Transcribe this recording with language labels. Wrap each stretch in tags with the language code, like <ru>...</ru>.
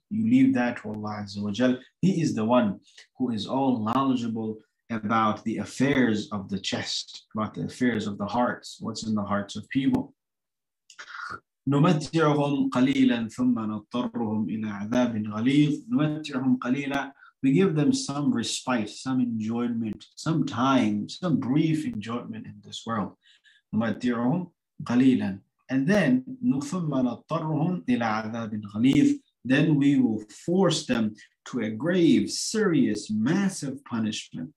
<en>You leave that to Allah Azza wa Jal. He is the one who is all knowledgeable about the affairs of the chest, about the affairs of the hearts, what's in the hearts of people.</en> <ar>نُمَتِّعُهُمْ قَلِيلًا ثُمَّ نَضْطَرُّهُمْ إِلَىٰ عَذَابٍ غَلِيظٍ. نُمَتِّعُهُمْ قَلِيلًا.</ar> <en>We give them some respite, some enjoyment, some time, some brief enjoyment in this world.</en> <ar>نُمَتِّعُهُمْ قَلِيلًا.</ar> <en>And then</en> <ar>نُثُمَّ نَضْطَرُّهُمْ إِلَىٰ عَذَابٍ غَلِيظٍ.</ar> <en>Then we will force them to a grave, serious, massive punishment.</en>